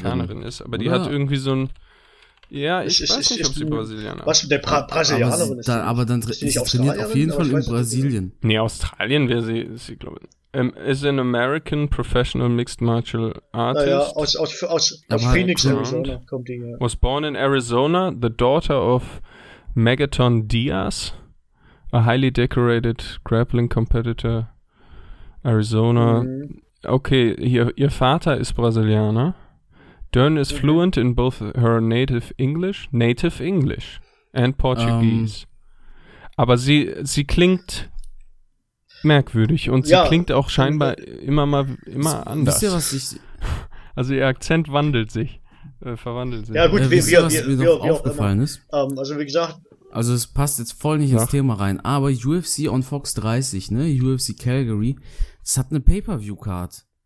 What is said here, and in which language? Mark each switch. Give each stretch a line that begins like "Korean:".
German: sie Amerikanerin ist, aber die hat irgendwie so ein... Ja, ich weiß nicht, ob sie Brasilianerin ist. Was, der Brasilianerin ist? Aber sie trainiert auf jeden Fall in Brasilien. Nee, Australien wäre sie, glaube ich.
English: Is an American Professional Mixed Martial Artist.
German: Naja, aus Phoenix, Arizona kommt die.
English: Was born in Arizona, the daughter of Megaton Diaz, a highly decorated grappling competitor, Arizona. Mhm.
German: Okay, ihr Vater ist Brasilianer.
English: Dern is fluent in both her native English and Portuguese.
German: Aber sie klingt merkwürdig und sie klingt auch scheinbar immer anders. Wisst ihr, was ich... Also ihr Akzent wandelt sich, verwandelt sich. Ja gut, was mir aufgefallen ist. Also wie gesagt... Also es passt jetzt voll nicht ins Thema rein, aber UFC on Fox 30, ne, UFC Calgary, es hat eine Pay-Per-View-Card.